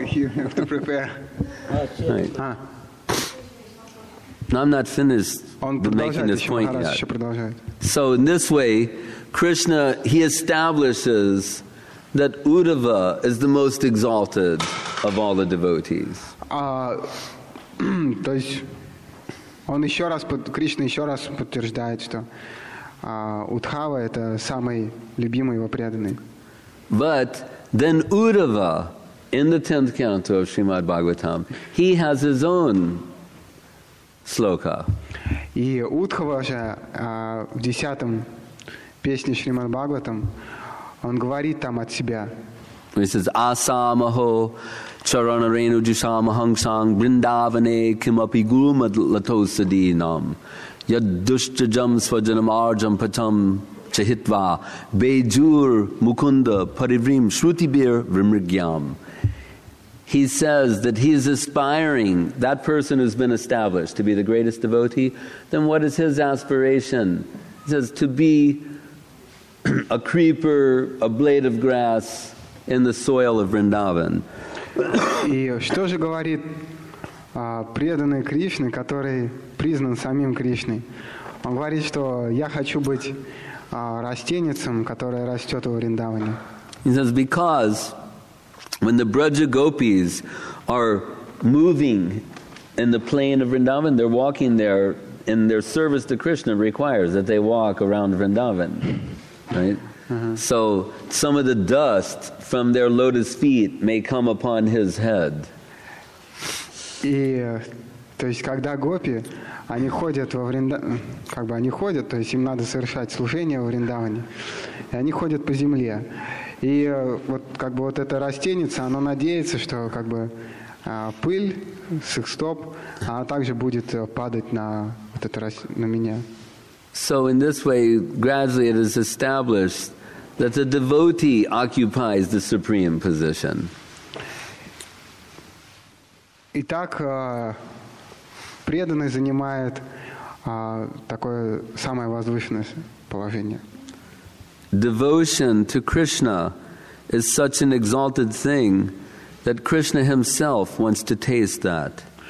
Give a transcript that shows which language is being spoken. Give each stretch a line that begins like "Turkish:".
English: You have to prepare. Right. Huh. I'm not finished making this point yet. So in this way, Krishna, he establishes that Uddhava is the most exalted of all the devotees.
Russian: То есть он еще раз, Кришна еще раз подтверждает, что Удхава это самый любимый его преданный.
English: But then Uddhava, in the 10th canto of Srimad Bhagavatam, he has his own sloka.
Russian: И Удхава же в 10-м песне Шримад Бхагаватам, он говорит там от себя.
English: He says,
Sanskrit: Asa maho charana renu jisham hangsang brindavane kimapi gurumad latosadi nam yad dushta jam svajanam arjam patam chahitva bejur mukunda parivrim shrutibir vrimrigyam.
English: He says that he is aspiring, that person who's been established to be the greatest devotee, then what is his aspiration? He says, to be a creeper, a blade of grass in the soil of Vrindavan.
Russian: И что же говорит преданный Кришна, который признан самим Кришной? Он говорит, что я хочу быть растеницем, которая растет во Вриндаване.
English: He says, because when the Braja Gopis are moving in the plain of Vrindavan, they're walking there, and their service to Krishna requires that they walk around Vrindavan, right? Uh-huh. So some of the dust from their lotus feet may come upon his head.
Russian: И то есть когда гопи, они ходят во Вринда, как бы они ходят, то есть им надо совершать служение во Вриндаване, и они ходят по земле. И вот как бы вот эта растеница, она надеется, что как бы пыль с их стоп, она также будет падать на вот это на меня.
English: So in this way, gradually it is established that the devotee occupies the supreme position.
Russian: Итак, преданный занимает такое самое возвышенное положение.
English: Devotion to Krishna is such an exalted thing that Krishna himself wants to taste that.